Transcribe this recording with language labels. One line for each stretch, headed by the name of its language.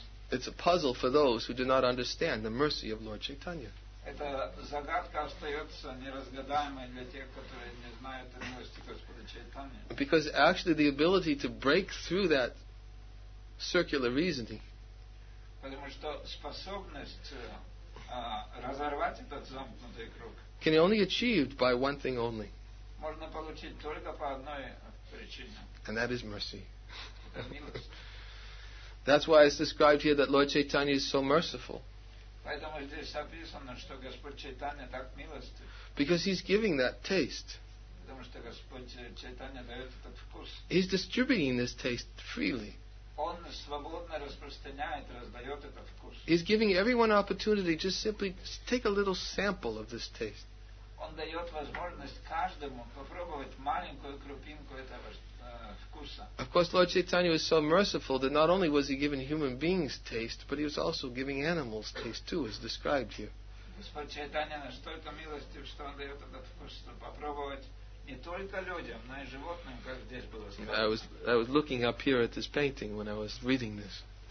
English: It's a puzzle for those who do not understand the mercy of Lord Chaitanya.
Russian: Эта загадка остается неразгадаемой для тех, которые не знают милости Господа Чайтаньи.
English: Because actually the ability to break through that circular reasoning.
Russian: Потому что способность разорвать этот замкнутый круг.
English: Can be only achieved by one thing only.
Russian: Можно получить только по одной причине.
English: And that is mercy. That's why it's described here that Lord Chaitanya is so merciful.
Russian: Поэтому здесь описано, что Господь Чайтанья так милостив.
English: Because he's giving that taste.
Russian: Потому что Господь Чайтанья дает этот вкус.
English: He's distributing this taste freely.
Russian: Он свободно распространяет, раздает этот вкус.
English: He's giving everyone opportunity just simply take a little sample of this taste.
Russian: Он дает возможность каждому попробовать маленькую крупинку этого
English: Of course, Lord Chaitanya was so merciful that not only was he giving human beings taste, but he was also giving animals taste too, as described here.
Russian: Господь Чайтанья настолько милостив, что он дает этот вкус, чтобы попробовать не только людям, но и животным, как здесь было сказано.
English: I was looking up here at this painting when I was reading this.